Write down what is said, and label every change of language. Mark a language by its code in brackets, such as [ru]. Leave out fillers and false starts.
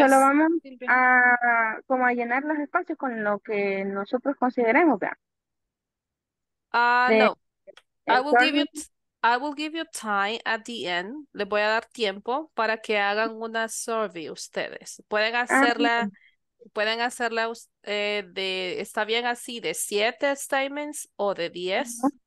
[es] Solo vamos a como a llenar los espacios con lo que nosotros consideremos, ¿verdad? No. [en] I will give you time at the end. [es] Le voy a dar tiempo para que hagan una survey ustedes. Pueden hacerla. Ah, sí. Pueden hacerla de, está bien así, de 7 statements o de 10.